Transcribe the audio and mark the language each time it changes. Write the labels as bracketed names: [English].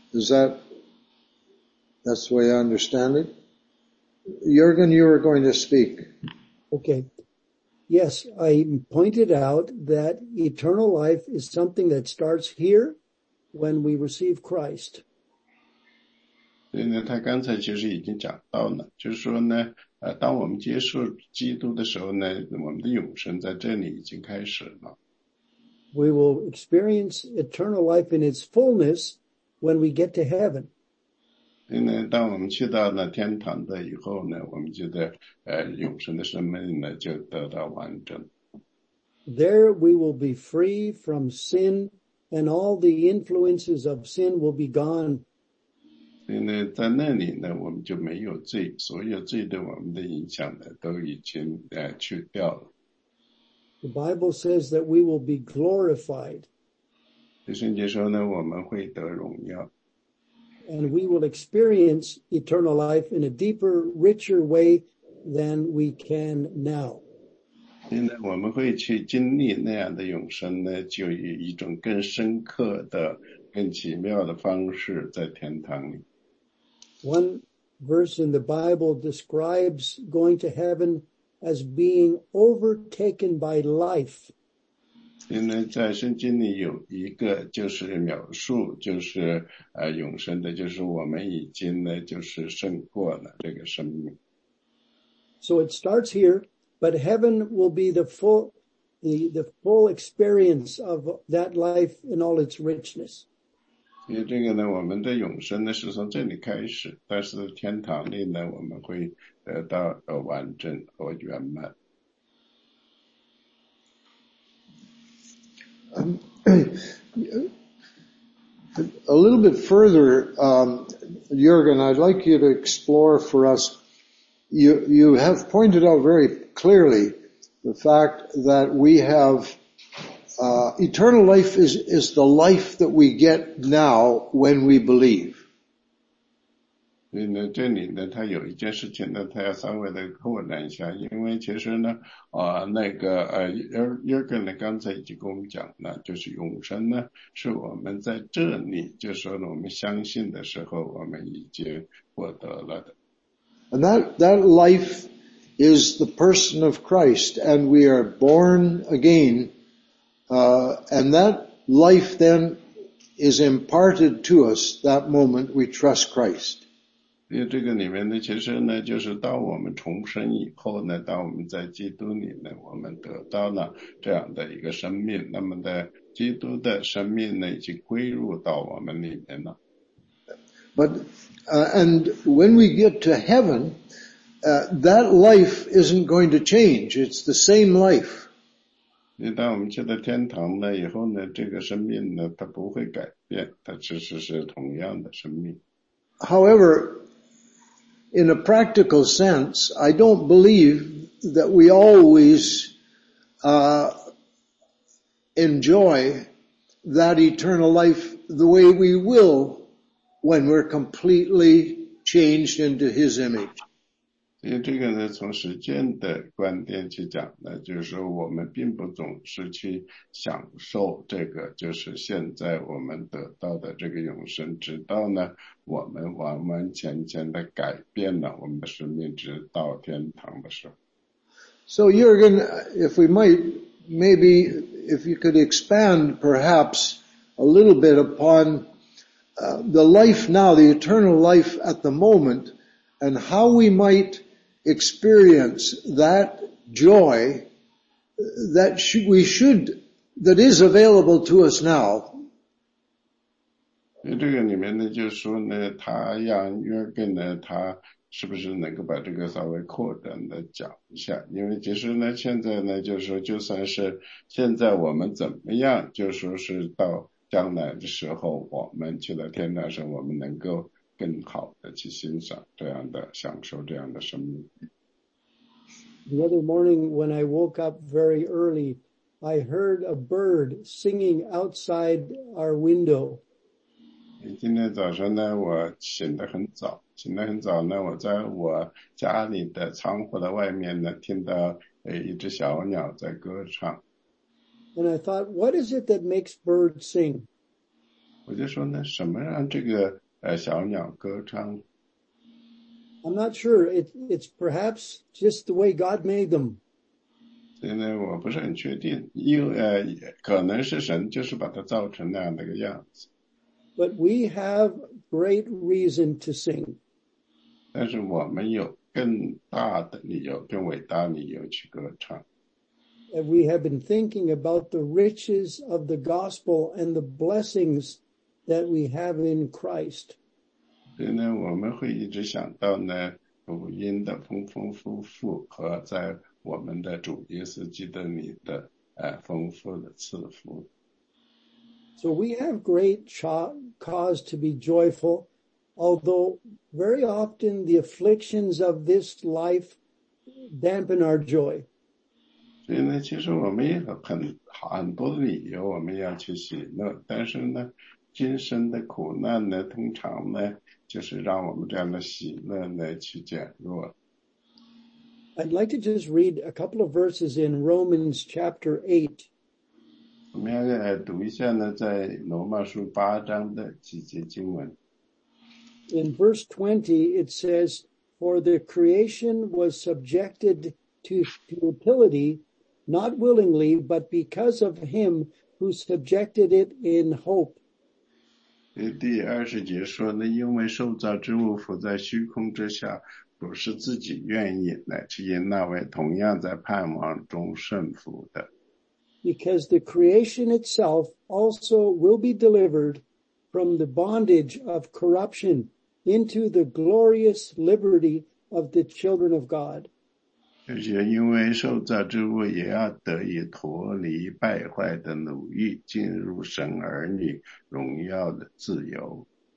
[English] That's the way I understand it. Jürgen, you were going to speak. Okay. Yes, I pointed out that eternal life is something that starts here when we receive Christ. [Chinese] 他刚才其实已经讲到了，就是说呢，当我们接受基督的时候呢，我们的永生在这里已经开始了。 [English] We will experience eternal life in its fullness when we get to heaven. [Chinese] 所以呢，当我们去到了天堂的以后呢，我们就在永生的生命呢就得到完整。 [English] There we will be free from sin, and all the influences of sin will be gone. [Chinese] 所以呢，在那里呢，我们就没有罪，所有罪对我们的影响呢，都已经去掉了。 [English] The Bible says that we will be glorified. [Chinese] 圣经说呢，我们会得荣耀。 [English] And we will experience eternal life in a deeper, richer way than we can now. [Chinese] 所以呢，我们会去经历那样的永生呢，就以一种更深刻的。更奇妙的方式在天堂里。 [English] One verse in the Bible describes going to heaven as being overtaken by life. [Chinese] 因为在圣经里有一个就是描述，就是永生的，就是我们已经呢就是胜过了这个生命。 [English] So it starts here, but heaven will be the full experience of that life in all its richness. [Chinese] 因为这个呢，我们的永生呢是从这里开始，但是天堂里呢，我们会得到完整和圆满。 [English] A little bit further, Jürgen, I'd like you to explore for us. You have pointed out very clearly the fact that we have. Eternal life is the life that we get now when we believe. [Chinese] 所以呢，这里呢，他有一件事情呢，他要稍微的扩展一下，因为其实呢，Jürgen 呢刚才已经跟我们讲了，就是永生呢，是我们在这里，就是说我们相信的时候，我们已经获得了的。 [English] And that life is the person of Christ, and we are born again. And that life then is imparted to us that moment we trust Christ. [Chinese] 因为这个里面呢，其实呢，就是当我们重生以后呢，当我们在基督里呢，我们得到了这样的一个生命，那么的基督的生命呢，已经归入到我们里面了。 [English] But, and when we get to heaven, that life isn't going to change. It's the same life. [Chinese] 因为当我们去到天堂了以后呢，这个生命呢，它不会改变，它其实是同样的生命。 [English] However, in a practical sense, I don't believe that we always, enjoy that eternal life the way we will when we're completely changed into His image. [Chinese] 因为这个呢，从实践的观点去讲呢，就是我们并不总是去享受这个，就是现在我们得到的这个永生，直到呢，我们完完全全的改变了我们的生命，直到天堂的时候。 [English] So Jürgen, if we might, maybe if you could expand perhaps a little bit upon the life now, the eternal life at the moment, and how we might experience that joy that we should, that is available to us now. [Chinese] 这个里面呢，就是说呢，他让约伯呢，他是不是能够把这个稍微扩展的讲一下？因为其实呢，现在呢，就是说，就算是现在我们怎么样，就是说是到将来的时候，我们去了天堂上，我们能够更好的去欣赏这样的、享受这样的生命。 [English] The other morning when I woke up very early, I heard a bird singing outside our window. [Chinese] 今天早上呢，我醒得很早，醒得很早呢，我在我家里的窗户的外面呢，听到一只小鸟在歌唱。 [English] And I thought, what is it that makes birds sing? [Chinese] 我就说呢，什么让这个小鸟歌唱？ [English] I'm not sure. It's perhaps just the way God made them. [Chinese] 所以呢，我不是很确定，因为可能是神就是把它造成那样的一个样子。 [English] But we have great reason to sing. [Chinese] 但是我们有更大的理由，更伟大的理由去歌唱。 [English] And we have been thinking about the riches of the gospel and the blessings that we have in Christ. [Chinese] 所以呢，我们会一直想到呢，福音的丰丰富富和在我们的主耶稣基督里的丰富的赐福。 [English] So we have great cause to be joyful, although very often the afflictions of this life dampen our joy. [Chinese] 所以呢，其实我们也有很多的理由我们要去喜乐，但是呢，今生的苦难呢，通常呢，就是让我们这样的喜乐呢去减弱。 [English] I'd like to just read a couple of verses in Romans chapter 8. [Chinese] 我们要来读一下呢，在罗马书八章的几节经文。 [English] In verse 20, it says, "For the creation was subjected to futility, not willingly, but because of Him who subjected it in hope." [Chinese] 第二十节说呢，因为受造之物伏在虚空之下，不是自己愿意，乃是因那位同样在盼望中胜服的。 [English] Because the creation itself also will be delivered from the bondage of corruption into the glorious liberty of the children of God. [Chinese] 而且因为受造之物也要得以脱离败坏的奴役，进入神儿女荣耀的自由。